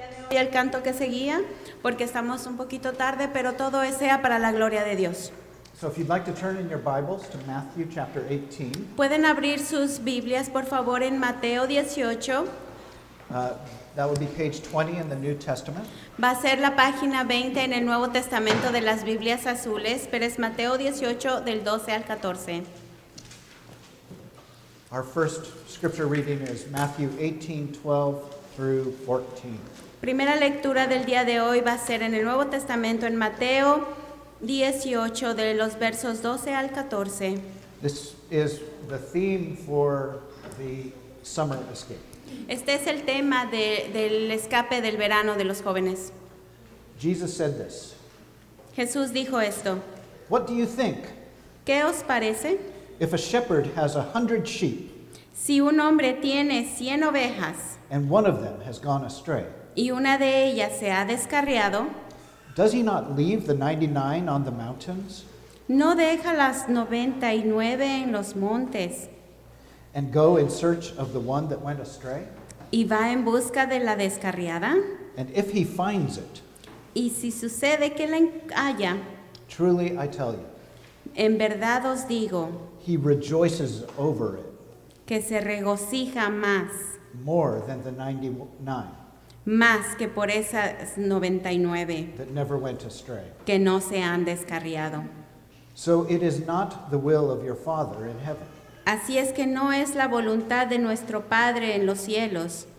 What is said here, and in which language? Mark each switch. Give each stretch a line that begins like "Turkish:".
Spanish: Y el canto que seguía, porque estamos un poquito tarde, pero todo sea para la gloria de Dios.
English: So if you'd like to turn in your Bibles to Matthew chapter 18.
Spanish: Pueden abrir sus Biblias, por favor, en Mateo 18.
English: That would be page 20 in the New Testament.
Spanish: Va a ser la página 20 en el Nuevo Testamento de las Biblias azules, pero es Mateo 18 del 12 al 14.
English: Our first scripture reading is Matthew 18:12-14.
Spanish: Primera lectura del día de hoy va a ser en el Nuevo Testamento en Mateo 18 de los versos 12 al 14.
English: This is the theme for the summer escape.
Spanish: Este es el tema del escape del verano de los jóvenes.
English: Jesus said this.
Spanish: Jesús dijo esto.
English: What do you think?
Spanish: ¿Qué os parece?
English: If a shepherd has 100 sheep.
Spanish: Si un hombre tiene 100 ovejas.
English: And one of them has gone astray.
Spanish: Y una de ellas se ha descarriado.
English: Does he not leave the 99 on the mountains?
Spanish: ¿No deja las 99 en los montes?
English: And go in search of the one that went astray?
Spanish: ¿Y va en busca de la descarriada?
English: And if he finds it?
Spanish: ¿Y si sucede que la haya?
English: Truly I tell you.
Spanish: En verdad os digo.
English: He rejoices over it.
Spanish: Que se regocija más.
English: More than the 99.
Spanish: Más que por esas 99
English: that never went astray.
Spanish: Que no se han descarriado.
English: So it is not the will of your Father in heaven.
Spanish: Así es que no es la voluntad de nuestro Padre en los cielos.